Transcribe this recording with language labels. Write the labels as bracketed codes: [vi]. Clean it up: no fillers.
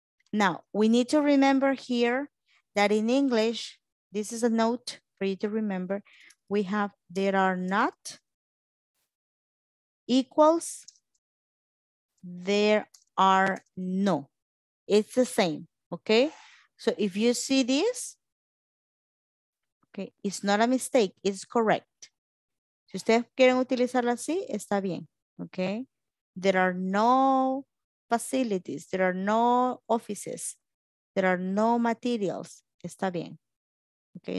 [en] Now, we need to remember here that in English, this is a note for you to remember, we have there are not equals there are no. It's the same, okay? So if you see this, okay, it's not a mistake, it's correct. [es] Si ustedes quieren utilizarla así, está bien, okay? [en] There are no facilities, there are no offices, there are no materials, [es] está bien, [en] okay?